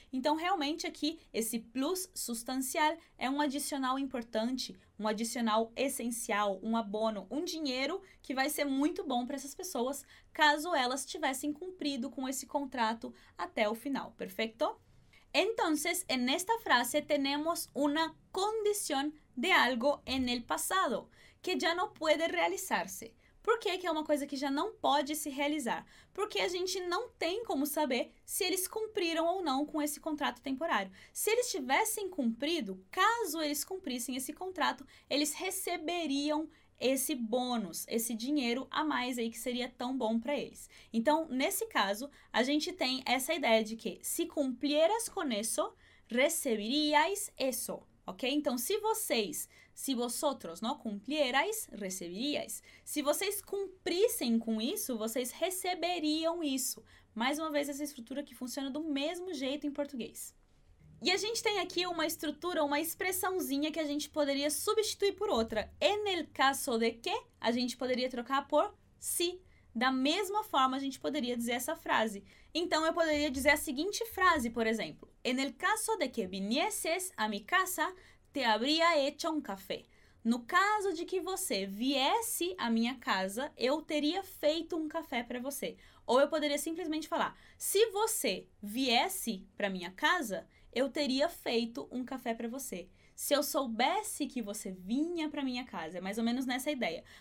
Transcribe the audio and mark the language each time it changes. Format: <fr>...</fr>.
<pt>Então, realmente aqui, esse plus sustancial é um adicional importante, um adicional essencial, um abono, um dinheiro que vai ser muito bom para essas pessoas, caso elas tivessem cumprido com esse contrato até o final, perfeito?</pt> <es>Entonces, en esta frase tenemos una condición de algo en el pasado que ya no puede realizarse.</es> <pt>Por que que é uma coisa que já não pode se realizar? Porque a gente não tem como saber se eles cumpriram ou não com esse contrato temporário. Se eles tivessem cumprido, caso eles cumprissem esse contrato, eles receberiam esse bônus, esse dinheiro a mais aí que seria tão bom para eles. Então, nesse caso, a gente tem essa ideia de que se</pt> <es>cumplieras con eso, recibirías eso,</es> <pt>ok? Então, se vocês, se vosotros, não</pt> <es>cumplierais, recibirías.</es> <pt>Se vocês cumprissem com isso, vocês receberiam isso. Mais uma vez, essa estrutura que funciona do mesmo jeito em português. E a gente tem aqui uma estrutura, uma expressãozinha que a gente poderia substituir por outra.</pt> <es>En el caso de que,</es> <pt>a gente poderia trocar por si. Da mesma forma, a gente poderia dizer essa frase. Então, eu poderia dizer a seguinte frase, por exemplo.</pt> <es>En el caso de que vinieses a mi casa, te habría hecho un café.</es> <pt>No caso de que você viesse à minha casa, eu teria feito um café para você. Ou eu poderia simplesmente falar: se você viesse para minha casa, eu teria feito um café para você. Se eu soubesse que você vinha para minha casa, é mais ou menos nessa ideia.</pt>